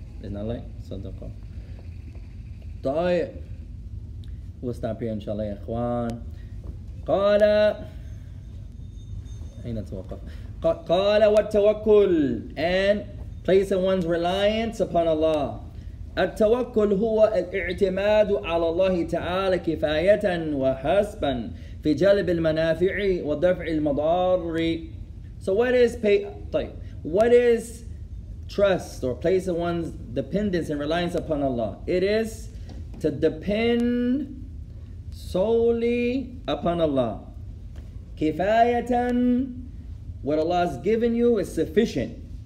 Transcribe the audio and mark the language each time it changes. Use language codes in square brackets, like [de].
[en] It's not like sadaqah. [ar] طيب. [en] We'll stop here, inshallah, ya Ikhwan. Qala. Ayna tawakkaf. [ar] قال والتوكل, [en] and place in one's reliance upon Allah. [ar] التوكل هو الاعتماد على الله تعالى كفاية وحسبا في جلب المنافع ودفع المضار. [en] So what is trust, or place in one's dependence and reliance upon Allah? It is to depend solely upon Allah. Kifayatan, what Allah has given you is sufficient.